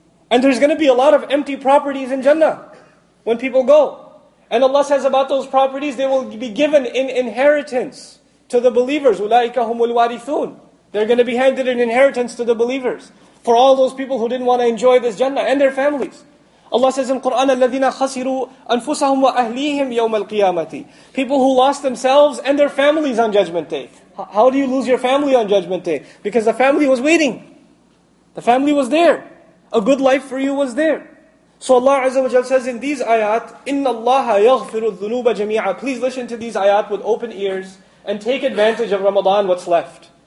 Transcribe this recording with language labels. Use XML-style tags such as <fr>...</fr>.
<en>And there's going to be a lot of empty properties in Jannah when people go. And Allah says about those properties, they will be given in inheritance to the believers.</en> <ar>أُولَٰئِكَ هُمُ الْوَارِثُونَ.</ar> <en>They're going to be handed an inheritance to the believers for all those people who didn't want to enjoy this Jannah and their families. Allah says in Quran,</en> <ar>الَّذِينَ خَسِرُوا أَنفُسَهُمْ وَأَهْلِيهِمْ يَوْمَ الْقِيَامَةِ.</ar> <en>People who lost themselves and their families on Judgment Day. How do you lose your family on Judgment Day? Because the family was waiting. The family was there. A good life for you was there. So Allah Azza wa Jalla says in these ayat,</en> <ar>إِنَّ اللَّهَ يَغْفِرُ الذُّنُوبَ جَمِيعًا.</ar> <en>Please listen to these ayat with open ears and take advantage of Ramadan, what's left.</en>